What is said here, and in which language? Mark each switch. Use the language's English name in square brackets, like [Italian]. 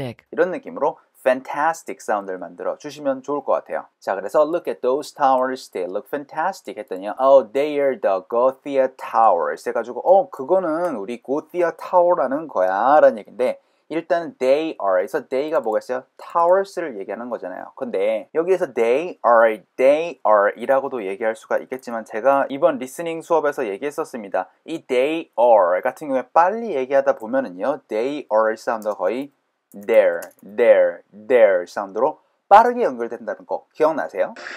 [Korean] 이런 느낌으로 fantastic 사운드를 만들어 주시면 좋을 것 같아요. 자, 그래서 [English] look at those towers, they look fantastic [Korean] 했더니 [English] oh, they are the Gothia towers [Korean] 해가지고 어, 그거는 우리 Gothia tower라는 거야 라는 얘기인데 일단 they are, 그래서 they가 뭐겠어요? towers를 얘기하는 거잖아요. 근데 여기에서 they are 이라고도 얘기할 수가 있겠지만 제가 이번 리스닝 수업에서 얘기했었습니다. 이 they are 같은 경우에 빨리 얘기하다 보면은요 they are 사운드가 거의 there 사운드로 빠르게 연결된다는 거 기억나세요?